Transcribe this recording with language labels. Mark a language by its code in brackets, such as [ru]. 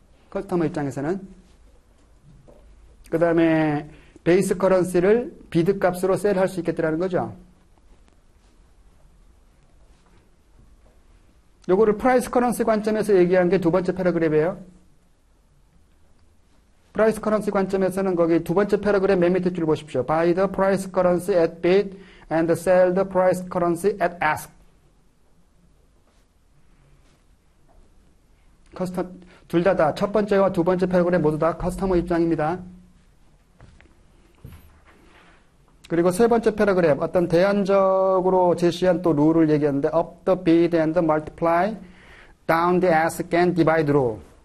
[ko] 커스터머 입장에서는 그다음에 베이스 커런시를 비드 값으로 셀할 수 있겠다는 거죠. 요거를 프라이스 커런시 관점에서 얘기한 게두 번째 패러그램이에요. 프라이스 커런시 관점에서는 거기 두 번째 패러그램 맨 밑에 줄 보십시오. [en] Buy the price currency at bid and sell the price currency at ask. [ko] 둘다다첫 번째와 두 번째 패러그램 모두 다 커스터머 입장입니다. 그리고 세 번째 패러그램 어떤 대안적으로 제시한 또 룰을 얘기하는데 [en] up the bid and the multiply down the ask and divide [ko] 로.